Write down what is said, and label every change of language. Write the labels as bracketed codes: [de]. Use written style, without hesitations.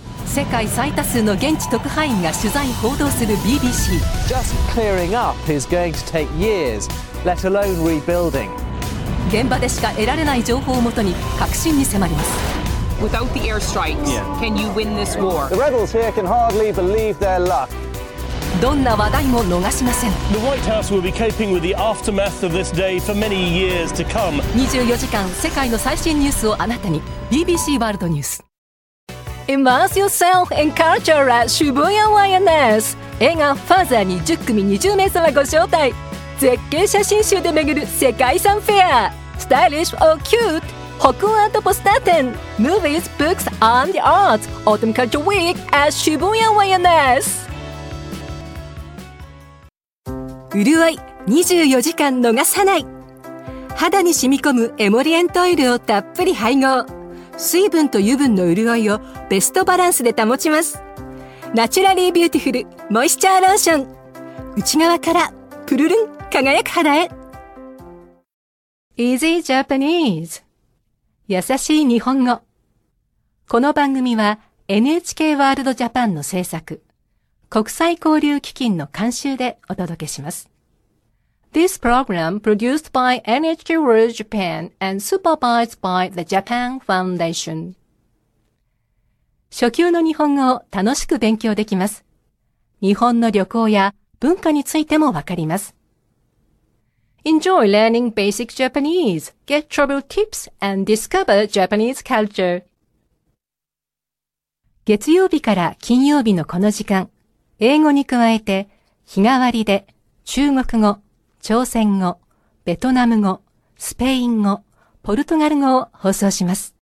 [ja] 世界最多数の現地特派員が取材報道する BBC。 [en] Just clearing up is going to take years, let alone rebuilding. [ja] 現場でしか得られない情報をもとに核心に迫ります。 [en] Without the airstrikes,、yeah. can you win this war? The rebels here can hardly believe their luck. [ja] どんな話題も逃しません。 [en] The White House will be coping with the aftermath of this day for many years to come. [ja] 24時間世界の最新ニュースをあなたに。BBC ワールドニュース。 [en] Immerse yourself in culture at Shibuya YNS. [ja] 映画ファーザーに10組20名様ご招待。絶景写真集で巡る世界遺産フェア。 [en] スタイリッシュ or cute? [ja] 北欧アートポスター展、 [en] Movies, Books, and Arts, Autumn Culture Week at Shibuya YNS。 [ja] うるおい、24時間逃さない。肌に染み込むエモリエントオイルをたっぷり配合。水分と油分のうるおいをベストバランスで保ちます。ナチュラリービューティフル、モイスチャーローション。内側からプルルン輝く肌へ。 [en] Easy Japanese. [ja] 優しい日本語。この番組は NHK ワールドジャパンの制作、国際交流基金の監修でお届けします。 [en] This program produced by NHK World Japan and supervised by the Japan Foundation. [ja] 初級の日本語を楽しく勉強できます。日本の旅行や文化についてもわかります。 [en] Enjoy learning basic Japanese. Get travel tips and discover Japanese culture. [ja] 月曜日から金曜日のこの時間、英語に加えて日替わりで中国語、朝鮮語、ベトナム語、スペイン語、ポルトガル語を放送します。